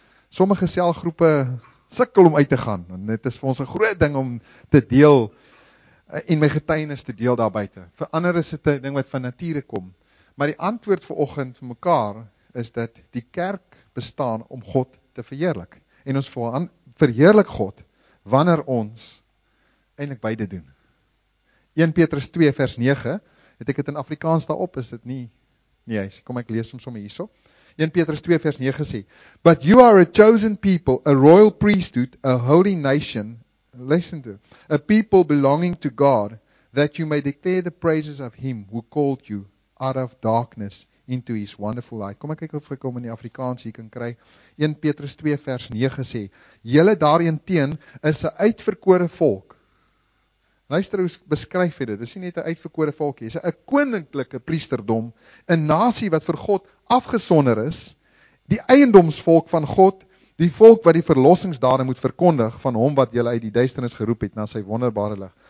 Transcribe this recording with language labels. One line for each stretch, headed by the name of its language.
Afrikaans: Sommige selgroepe sukkel om uit te gaan, en dit is vir ons 'n groot ding om te deel, en my getuienis te deel daar buiten. Vir ander is dit 'n ding wat van nature kom. Maar die antwoord vir oggend vir mekaar, is dat die kerk bestaan om God te verheerlik. En ons verheerlik God, wanneer ons eindelijk beide doen. 1 Petrus 2 vers 9, het ek het in Afrikaans daarop, is dit nie, nie, kom ek lees hom sommer hierso. 1 Petrus 2 vers 9 sê,
English: but you are a chosen people, a royal priesthood, a holy nation, listen to, a people belonging to God, that you may declare the praises of him who called you out of darkness into his wonderful light.
Afrikaans: Kom ek kyk of ek hom in die Afrikaans hier kan kry. 1 Petrus 2 vers 9 sê, julle daarenteen is 'n uitverkore volk, luister hoe beskryf hy dit, dit is nie net 'n uitverkore volkie, dit is 'n koninklike priesterdom, 'n nasie wat vir God afgesonder is, die eiendomsvolk van God, die volk wat die verlossingsdade moet verkondig, van hom wat julle uit die duisternis geroep het, na sy wonderbare lig.